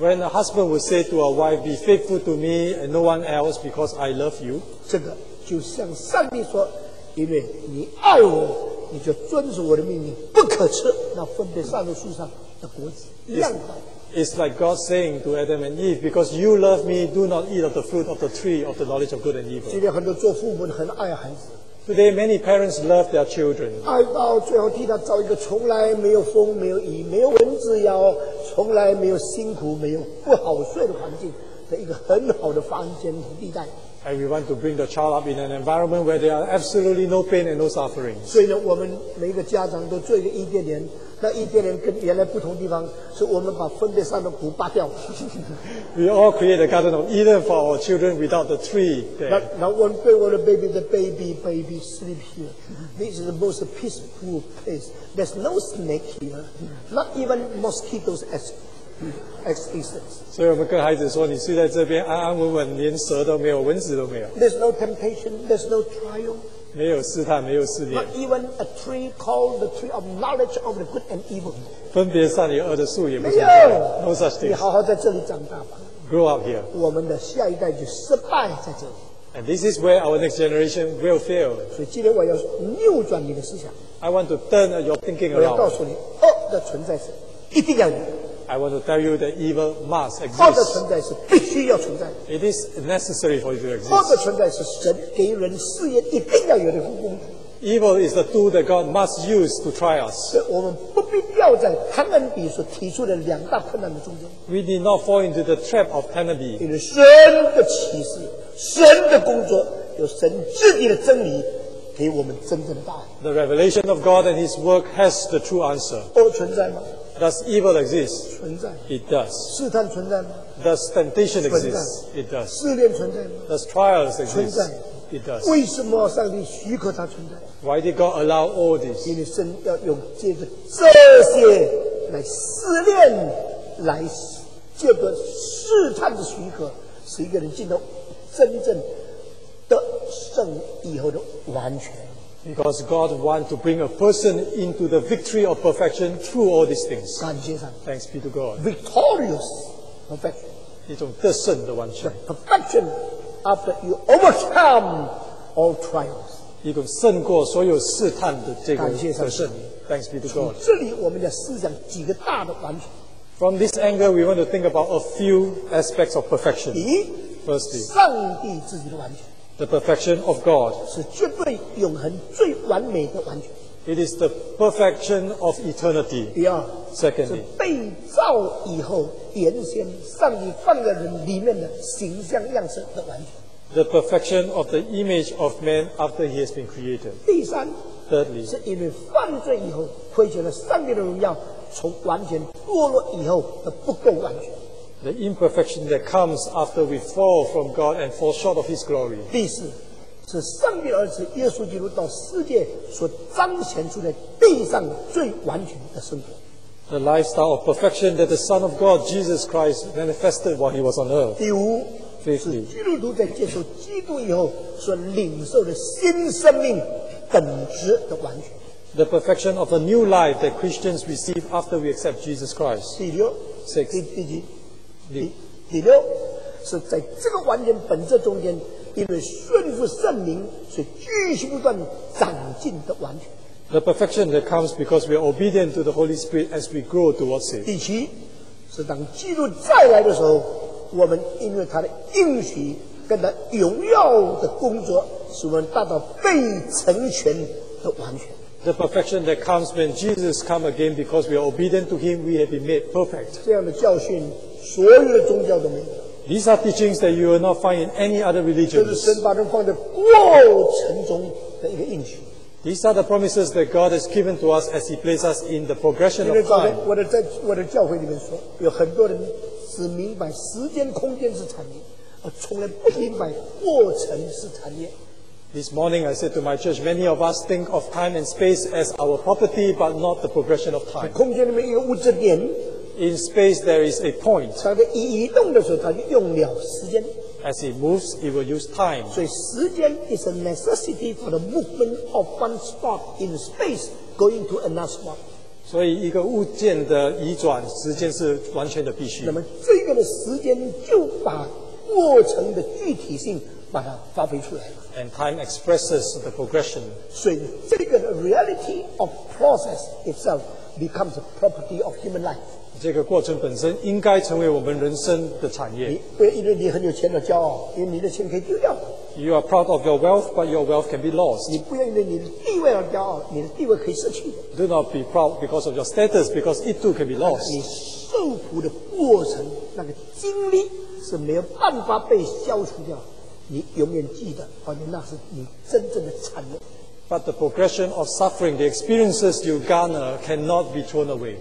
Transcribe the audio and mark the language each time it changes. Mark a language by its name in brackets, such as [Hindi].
[English] When a husband would say to a wife, "Be faithful to me and no one else, because I love you." [Chinese] 这个就像上帝说：“因为你爱我，你就遵守我的命令，不可吃那分别善恶树上的果子。 [English] Yes.” [Chinese] 一样的。 [English] It's like God saying to Adam and Eve, because you love me, do not eat of the fruit of the tree of the knowledge of good and evil. [Chinese] 今天很多做父母的很爱孩子。 [English] Today, many parents love their children. [Chinese] 爱到最后替他找一个从来没有风、没有雨、没有蚊子咬、从来没有辛苦、没有不好睡的环境的一个很好的房间和地带。 [English] And we want to bring the child up in an environment where there are absolutely no pain and no suffering. [Chinese] 所以呢，我们每个家长都做一个伊甸园。那伊甸园跟原来不同地方，是我们把分别善恶的果拔掉。 [English] We all create a garden of Eden for our children without the tree. Now one day, one baby, the baby sleep here. This is the most peaceful place. There's no snake here. Not even mosquitoes as existence. [Chinese] 所以我们跟孩子说，你睡在这边安安稳稳，连蛇都没有，蚊子都没有。 [English] There's no temptation. There's no trial. [Chinese] 没有试探，没有试炼。 [English] Not even a tree called the tree of knowledge of the good and evil. [Chinese] 分别善与恶的树也不存在。 [English] No such thing. [Chinese] 你好好在这里长大吧。 [English] Grow up here. [Chinese] 我们的下一代就失败在这里。 [English] And this is where our next generation will fail. [Chinese] 所以今天我要扭转你的思想。 [English] I want to turn your thinking around. [Chinese] 我要告诉你，恶的存在是一定要有。 [English] I want to tell you that evil must exist. [Chinese] 恶的存在是必须要存在。 [English] It is necessary for it to exist. [Chinese] 恶的存在是神给人试验一定要有的功能。 [English] Evil is the tool that God must use to try us. [Chinese] 我们不必掉在贪婪比所提出的两大困难的中间。 [English] We did not fall into the trap of tenor be. [Chinese] 因为神的启示，神的工作，有神自己的真理。给我们真正的答案。 [English] The revelation of God and His work has the true answer. [Chinese] 恶存在吗？ [English] Does evil exist? [Chinese] 存在。 [English] It does. [Chinese] 试探存在吗？ [English] Does temptation exist? It does. [Chinese] 试炼存在吗？ [English] Does trials exist? [Chinese] 存在。 [English] It does. [Chinese] 为什么上帝许可它存在？ [English] Why did God allow all this? [Chinese] 因为神要用借着这些来试炼，来借着试探的许可，使一个人进到真正得胜以后的完全。 [English] Because God wants to bring a person into the victory of perfection through all these things. [Chinese] 感谢上帝。 [English] Thanks be to God. Victorious perfection. [Chinese] 一种得胜的完全。 [English] The perfection after you overcome all trials. [Chinese] 一种胜过所有试探的这个得胜。 [English] Thanks be to God. [Chinese] 从这里我们要思想几个大的完全。 [English] From this angle, we want to think about a few aspects of perfection. [Chinese] 第一， [English] Firstly, [Chinese] 上帝自己的完全。 [English] The perfection of God [Chinese] 是绝对永恒最完美的完全。 [English] It is the perfection of eternity. [Chinese] 第二， [English] Secondly, [Chinese] 是被造以后原先上帝放在人里面的形象样式的完全。 [English] The perfection of the image of man after he has been created. [Chinese] 第三， [English] Thirdly, [Chinese] 是因为犯罪以后亏缺了上帝的荣耀，从完全堕落以后的不够完全。 [English] The imperfection that comes after we fall from God and fall short of His glory. [Chinese] 第四，是上帝儿子耶稣基督到世界所彰显出在地上最完全的生活。 [English] The lifestyle of perfection that the Son of God, Jesus Christ, manifested while He was on earth. [Chinese] 第五， [English] Fifthly, [Chinese] 是基督徒在接受基督以后所领受的新生命本质的完全。 [English] The perfection of a new life that Christians receive after we accept Jesus Christ. [Chinese] 第六， [English] Sixth, [Chinese] 第七。第六是在这个完全本质中间，因为顺服圣灵，所以继续不断长进的完全。 [English] The perfection that comes because we are obedient to the Holy Spirit as we grow towards it. [Chinese] 第七是当基督再来的时候，我们因为他的应许跟他荣耀的工作，使我们达到被成全的完全。 [English] The perfection that comes when Jesus comes again, because we are obedient to Him, we have been made perfect. [Chinese] 这样的教训，所有的宗教都没有。 [English] These are teachings that you will not find in any other religion. [Chinese] 这是神把人放在过程中的一个应许。 [English] These are the promises that God has given to us as He places us in the progression of time. [Chinese] 我的在我的教会里面说，有很多人只明白时间空间是产业，而从来不明白过程是产业。 [English] This morning I said to my church, many of us think of time and space as our property, but not the progression of time. [Chinese] 空间里面有物质点。 [English] In space there is a point. [Chinese] 它一移动的时候，它就用了时间。 [English] As it moves, it will use time. [Chinese] 所以时间 [English] is a necessity for the movement of one spot in space going to another spot. [Chinese] 所以一个物件的移转，时间是完全的必须。那么这个的时间就把过程的具体性把它发挥出来了。 [English] And time expresses the progression. [Chinese] 所以这个的 [English] reality of process itself becomes a property of human life. [Chinese] 这个过程本身应该成为我们人生的产业。因为你很有钱而骄傲，因为你的钱可以丢掉。 [English] You are proud of your wealth, but your wealth can be lost. [Chinese] 你不要因为你的地位而骄傲，你的地位可以失去。 [English] Do not be proud because of your status, because it too can be lost. [Chinese] 你受苦的过程，那个经历是没有办法被消除掉。你永远记得，而且那是你真正的产业。 [English] But the progression of suffering, the experiences you garner, cannot be thrown away.